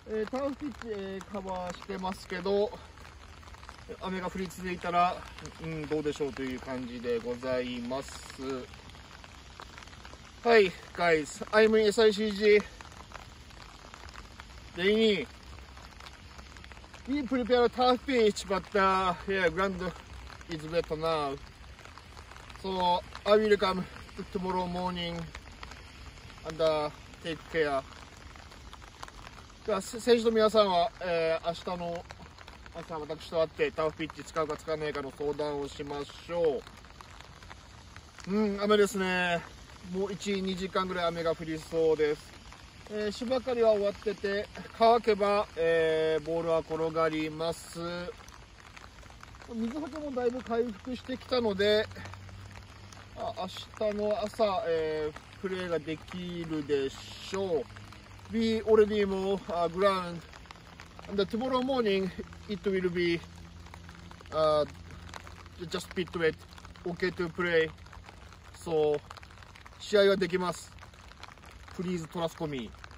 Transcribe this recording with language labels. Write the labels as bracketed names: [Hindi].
[Japanese] ターフピッチ、カバーしてますけど、雨が降り続いたら、どうでしょうという感じでございます。 [English] はい、ガイズ、I'm in SICG レイニー。 We prepare ターフピッチ but yeah, grandIt's wet now. So I will come tomorrow morning and take care. [Japanese] じゃあ選手の皆さんは、明日の朝私と会ってターフピッチ使うか使わないかの相談をしましょう。雨ですね。もう1、2時間ぐらい雨が降りそうです。芝刈りは終わってて、乾けば、ボールは転がります。水はけもだいぶ回復してきたので、明日の朝、プレーができるでしょう。 [English] We already mow ground and tomorrow morning it will be just bit wet, okay to play. So [Japanese] 試合はできます。 [English] Please trust me.